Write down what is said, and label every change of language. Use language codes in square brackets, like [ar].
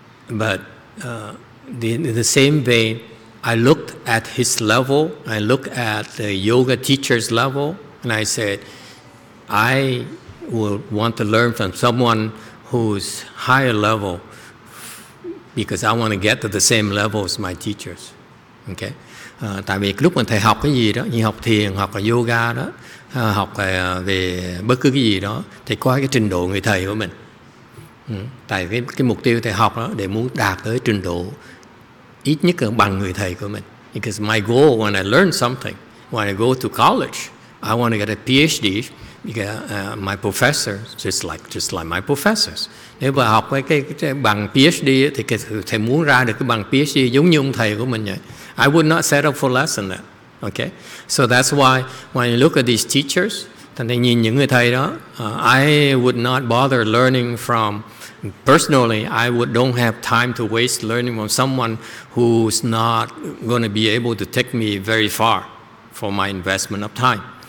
[en] But the same vein, I looked at his level, I looked at the yoga teacher's level, and I said, I would want to learn from someone who's higher level because I want to get to the same level as my teachers. Okay. [vi] Tại vì lúc mà thầy học cái gì đó, như học thiền, học yoga đó, học về bất cứ cái gì đó, thầy coi cái trình độ người thầy của mình. Tại cái mục tiêu thầy học đó để muốn đạt tới trình độ ít nhất là bằng người thầy của mình. [en] Because my goal when I learn something, when I go to college, I want to get a PhD. My professor, just like my professors. [vi] Nếu mà học cái bằng PhD thì thầy muốn ra được cái bằng PhD giống như ông thầy của mình vậy. [en] I would not set up for less than that. Okay? So that's why when you look at these teachers, [vi] Thành ra nhìn những người thầy đó, [en] I would not bother learning from, personally, I would don't have time to waste learning from someone who's not going to be able to take me very far for my investment of time.